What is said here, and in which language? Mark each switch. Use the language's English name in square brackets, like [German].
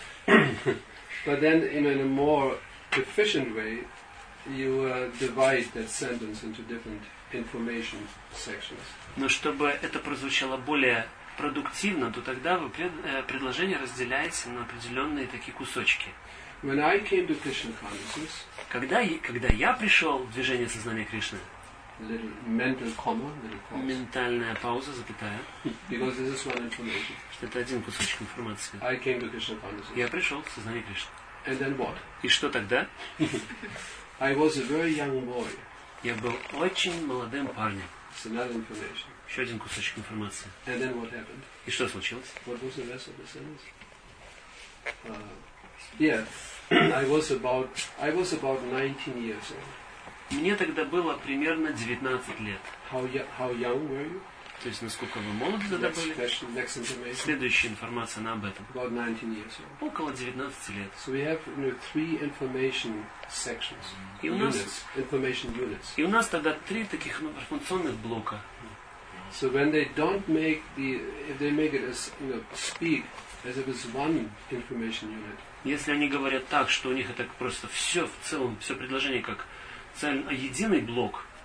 [English] But then, in a more efficient way, you divide that sentence into different information sections. [Russian] Но чтобы это прозвучало более продуктивно, то тогда вы предложение разделяете на определенные такие кусочки. [English] When I came to Krishna consciousness. [Russian] Когда я пришел в движение сознания Кришны. [English] Little mental comma. [Russian] Ментальная пауза, запятая. [English] Because this is one information. [Russian] Что это один кусочек информации. [English] I came to Krishna consciousness. [Russian] Я пришел в сознание Кришны. [English] And then what? [Russian] И что тогда? [English] I was a very young boy. [Russian] Я был очень молодым парнем. [English] It's another information. [Russian] Еще один кусочек информации. [English] And then what happened? [Russian] И что случилось? [English] What was the rest of the sentence? I was about 19 years old. [Russian] Мне тогда было примерно 19 лет. [English] How young were you? [Russian] То есть, насколько вы молоды тогда были? Следующая информация об этом. [English] About 19 years old. [Russian] Около 19 лет. [English] So we have, three information sections. [Russian] И у нас, [English] units, information units. [Russian] И у нас тогда три таких информационных блока. [English] So when they don't make the, if they make it as, speak, as if it's one information unit. [Russian] Если они говорят так, что у них это просто все в целом, все предложение как единый блок.